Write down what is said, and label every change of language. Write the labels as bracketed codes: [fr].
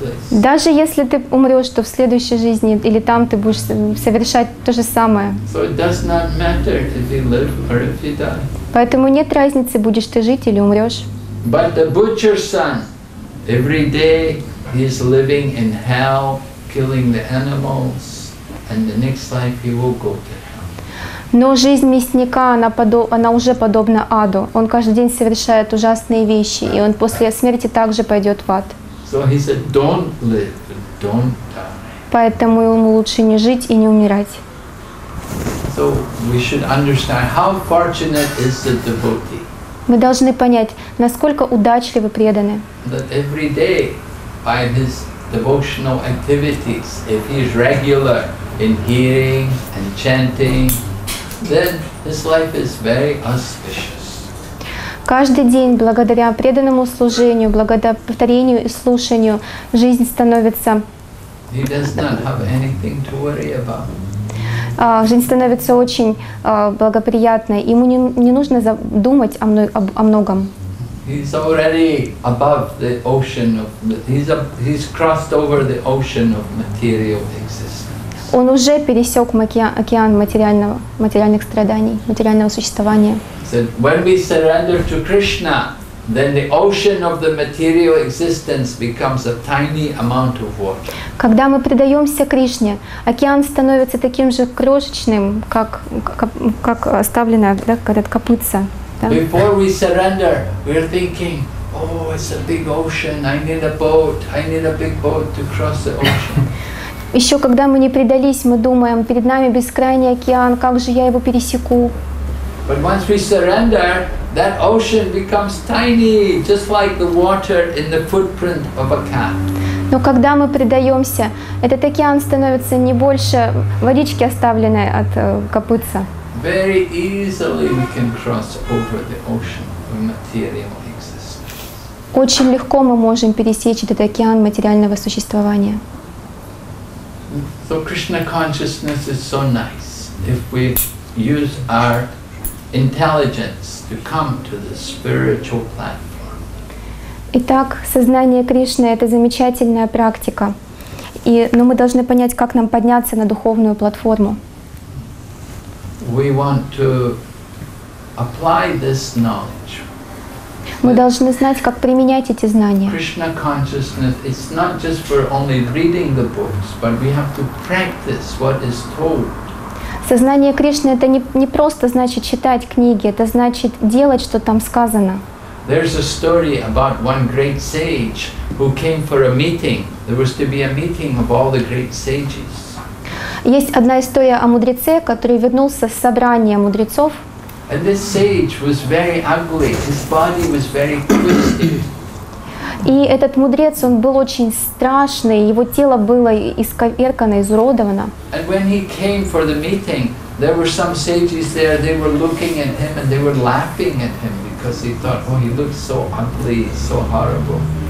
[ru] Даже если ты умрешь, то в следующей жизни или там ты будешь совершать то же самое. [en] So it does not matter if you live or if you die. [ru] Поэтому нет разницы, будешь ты жить или умрешь. [en] But the butcher's son, every day he is living in hell, killing the animals. And the next life he will go to hell. [ru] Но жизнь мясника, она уже подобна аду. Он каждый день совершает ужасные вещи, и он после смерти также пойдет в ад. [en] So he said, don't live, don't die. [ru] Поэтому ему лучше не жить и не умирать. [en] So we should understand how fortunate is the devotee. [ru] Мы должны понять, насколько удачливы преданы. [en] That every day by his devotional activities, if he is regular in hearing and chanting, then his life is very auspicious. [ru] Каждый день, благодаря преданному служению, благодаря повторению и слушанию, жизнь становится. [en] He does not have anything to worry about. [ru] Жизнь становится очень благоприятной. Ему не нужно думать о многом. [en] He's already above the ocean of. He's crossed over the ocean of material existence. [ru] Он уже пересек океан материальных страданий, материального существования. [en] So when we surrender to Krishna, then the ocean of the material existence becomes a tiny amount of water. [ru] Когда мы предаемся Кришне, океан становится таким же крошечным, как оставленное, да, когда копытца. Да? [en] Before we surrender, we're thinking, oh, it's a big ocean. I need a big boat to cross the ocean. [ru] Еще когда мы не предались, мы думаем, перед нами бескрайний океан, как же я его пересеку? [en] But once we surrender, that ocean becomes tiny, just like the water in the footprint of a cat. [ru] Но когда мы предаемся, этот океан становится не больше водички, оставленной от копытца. [en] Very easily we can cross over the ocean of material existence. [ru] Очень легко мы можем пересечь этот океан материального существования. [en] So Krishna consciousness is so nice if we use our intelligence to come to the spiritual platform. [ru] Итак, сознание Кришны — это замечательная практика. Но мы должны понять, как нам подняться на духовную платформу. [en] We want to apply this knowledge. [ru] Мы должны знать, как применять эти знания. [en] Krishna consciousness is not just for only reading the books, but we have to practice what is told. [ru] Сознание Кришны — это не просто значит читать книги, это значит делать, что там сказано. [en] There's a story about one great sage who came for a meeting. There was to be a meeting of all the great sages. [ru] Есть одна история о мудреце, который вернулся с собрания мудрецов. [en] And this sage was very ugly. His body was very twisted. [ru] И этот мудрец, он был очень страшный. Его тело было исковеркано, изуродовано. [en] And when he came for the meeting, there were some sages there. They were looking at him and they were laughing at him because they thought, oh, he looks so ugly, so horrible.